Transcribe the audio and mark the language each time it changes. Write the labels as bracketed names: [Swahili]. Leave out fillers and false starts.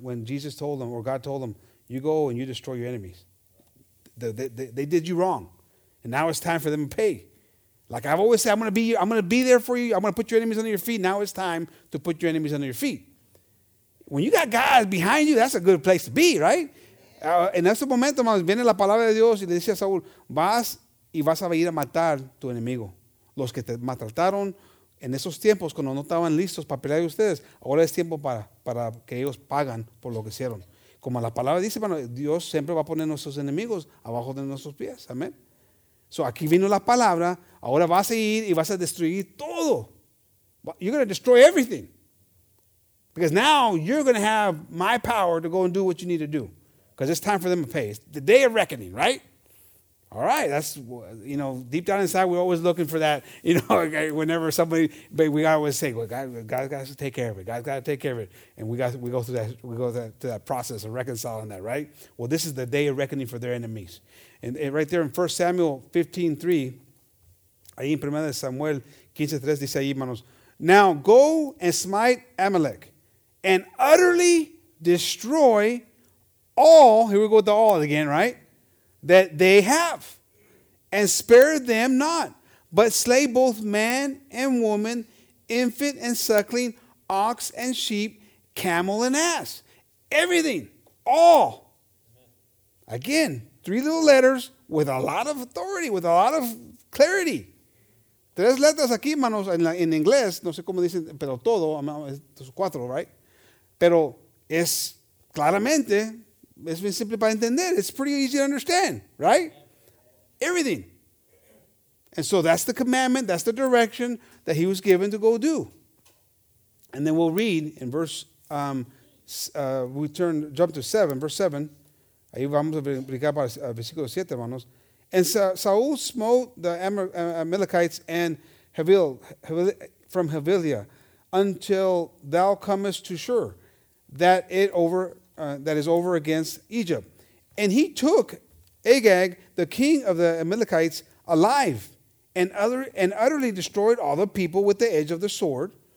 [English] When Jesus told him, or God told him, you go and you destroy your enemies. They did you wrong. And now it's time for them to pay. Like I've always said, I'm going to be there for you. I'm going to put your enemies under your feet. Now it's time to put your enemies under your feet. When you got God behind you, that's a good place to be, right? [Spanish] En ese momento, hermanos, viene la palabra de Dios y le dice a Saúl, vas y vas a ir a matar tu enemigo. Los que te maltrataron en esos tiempos, cuando no estaban listos para pelear de ustedes, ahora es tiempo para que ellos pagan por lo que hicieron. Como la palabra dice, bueno, Dios siempre va a poner nuestros enemigos abajo de nuestros pies. Amén. So aquí vino la palabra. Ahora vas a ir y vas a destruir todo. [English] You're going to destroy everything. Because now you're going to have my power to go and do what you need to do. Because it's time for them to pay. It's the day of reckoning, right? All right. That's, you know, deep down inside, we're always looking for that. You know, whenever somebody, but we always say, well, God's got to take care of it. God's got to take care of it. And we go through that process of reconciling that, right? Well, this is the day of reckoning for their enemies. And right there in 1 Samuel 15:3, [Spanish] ahí en 1 Samuel 15:3, dice ahí, hermanos, [English] now go and smite Amalek and utterly destroy all, here we go with the all again, right? That they have, and spare them not, but slay both man and woman, infant and suckling, ox and sheep, camel and ass. Everything. All. Again, three little letters with a lot of authority, with a lot of clarity. [Spanish] Tres letras aquí, manos, en inglés, no sé cómo dicen, pero todo, cuatro, right? Pero es claramente, es muy simple para entender. [English] It's pretty easy to understand, right? Everything. And so that's the commandment, that's the direction that he was given to go do. And then we'll read in verse, jump to 7, verse 7. [Spanish] Ahí vamos a brincar para el versículo 7, hermanos. [English] And Saul smote the Amalekites and from Havilah until thou comest to Shur, that is over against Egypt. And he took Agag, the king of the Amalekites, alive, and utterly destroyed all the people with the edge of the sword.